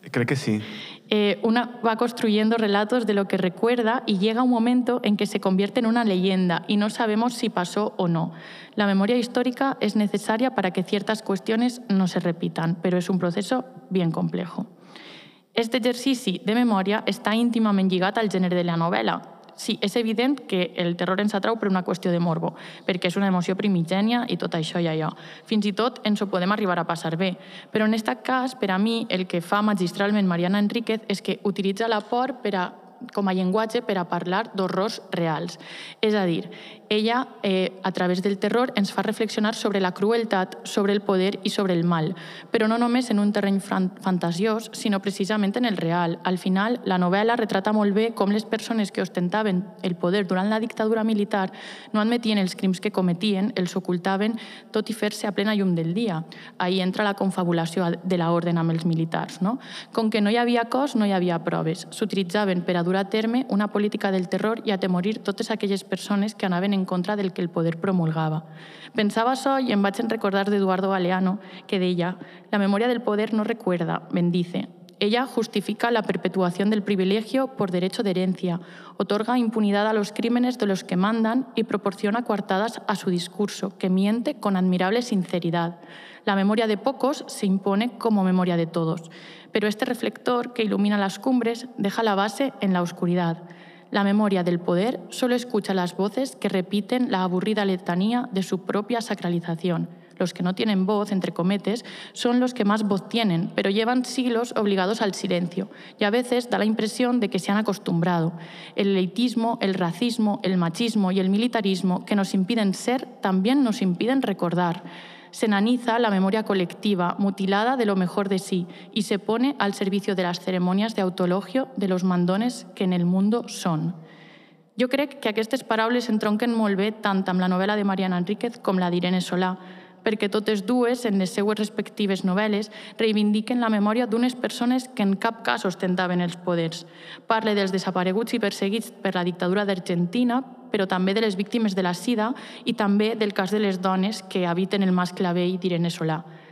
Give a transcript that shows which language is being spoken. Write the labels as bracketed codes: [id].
[ca] Crec que sí. [es] Una va construyendo relatos de lo que recuerda y llega un momento en que se convierte en una leyenda y no sabemos si pasó o no. La memoria histórica es necesaria para que ciertas cuestiones no se repitan, pero es un proceso bien complejo. [ca] Este exercici de memòria està íntimament lligat al gènere de la novel·la. Sí, és evident que el terror ens atrau per una qüestió de morbo, perquè és una emoció primigènia i tot això i allò. Fins i tot ens ho podem arribar a passar bé. Però en aquest cas, per a mi, el que fa magistralment Mariana Enríquez és que utilitza la por per a, com a llenguatge per a parlar d'horrors reals. És a dir, ella, a través del terror, ens fa reflexionar sobre la crueltat, sobre el poder i sobre el mal. Però no només en un terreny fantasiós, sinó precisament en el real. Al final, la novel·la retrata molt bé com les persones que ostentaven el poder durant la dictadura militar no admetien els crims que cometien, els ocultaven, tot i fer-se a plena llum del dia. Ahí entra la confabulació de l'ordre amb els militars, no? Com que no hi havia cos, no hi havia proves. S'utilitzaven per a durar a terme una política del terror i atemorir totes aquelles persones que anaven en contra del que el poder promulgava. Pensava això i em vaig recordar d'Eduardo Galeano, que deia: la memòria del poder [es] no recuerda, bendice. Ella justifica la perpetuación del privilegio por derecho de herencia, otorga impunidad a los crímenes de los que mandan y proporciona coartadas a su discurso, que miente con admirable sinceridad. La memoria de pocos se impone como memoria de todos, pero este reflector que ilumina las cumbres deja la base en la oscuridad. La memoria del poder solo escucha las voces que repiten la aburrida letanía de su propia sacralización. Los que no tienen voz, [ca] entre cometes, [es] son los que más voz tienen, pero llevan siglos obligados al silencio y a veces da la impresión de que se han acostumbrado. El elitismo, el racismo, el machismo y el militarismo que nos impiden ser también nos impiden recordar. Se enaniza la memoria colectiva, mutilada de lo mejor de sí, y se pone al servicio de las ceremonias de autologio de los mandones que en el mundo son. [ca] Jo crec que aquestes paraules entronquen molt bé tant amb la novel·la de Mariana Enríquez com la d'Irene Solà, perquè totes dues, en les seues respectives novel·les, reivindiquen la memòria d'unes persones que en cap cas ostentaven els poders. Parle dels desapareguts i perseguits per la dictadura d'Argentina, però també de les víctimes de la sida i també del cas de les dones que habiten el Mascle Vell d'Irene Solà.